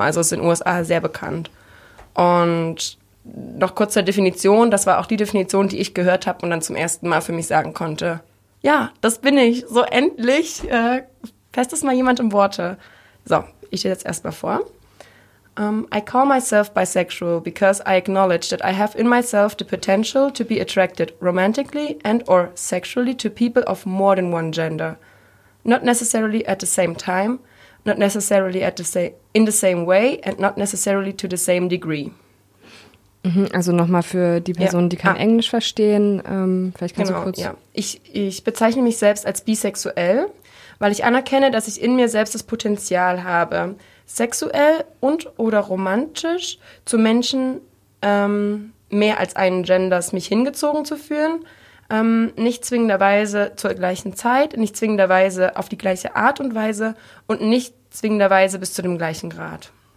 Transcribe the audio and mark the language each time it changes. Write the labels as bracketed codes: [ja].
[de] Also ist in den USA sehr bekannt. Und noch kurz zur Definition, das war auch die Definition, die ich gehört habe und dann zum ersten Mal für mich sagen konnte, ja, das bin ich, so endlich, fasst es mal jemand in Worte. So, ich stehe jetzt erstmal vor. [en] I call myself bisexual because I acknowledge that I have in myself the potential to be attracted romantically and or sexually to people of more than one gender. Not necessarily at the same time, not necessarily at the in the same way and not necessarily to the same degree. [de] Also nochmal für die Personen, ja, die kein Englisch verstehen, vielleicht kannst genau, du kurz... Ja. Ich bezeichne mich selbst als bisexuell, weil ich anerkenne, dass ich in mir selbst das Potenzial habe, sexuell und oder romantisch zu Menschen mehr als einen Genders mich hingezogen zu fühlen, nicht zwingenderweise zur gleichen Zeit, nicht zwingenderweise auf die gleiche Art und Weise und nicht zwingenderweise bis zu dem gleichen Grad.